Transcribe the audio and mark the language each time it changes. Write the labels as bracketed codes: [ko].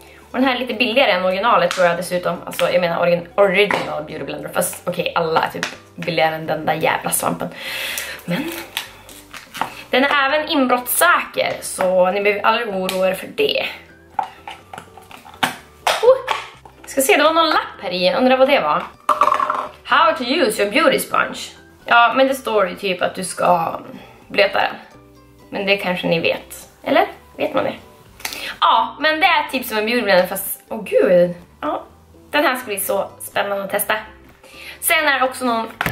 [sv] Och den här är lite billigare än originalet tror jag dessutom. Alltså jag menar original beauty blender. Fast okej, alla är typ billigare än den där jävla svampen. Men den är även inbrottssäker. Så ni behöver aldrig oroa er för det. Ska se, det var någon lapp här i, undrar vad det var. [en] How to use your beauty sponge. [sv] Ja, men det står ju typ att du ska blöta den. Men det kanske ni vet. Eller? Vet man det? Ja, men det är typ som en beautyblender fast... Åh gud. Ja, den här ska bli så spännande att testa. Sen är det också någon...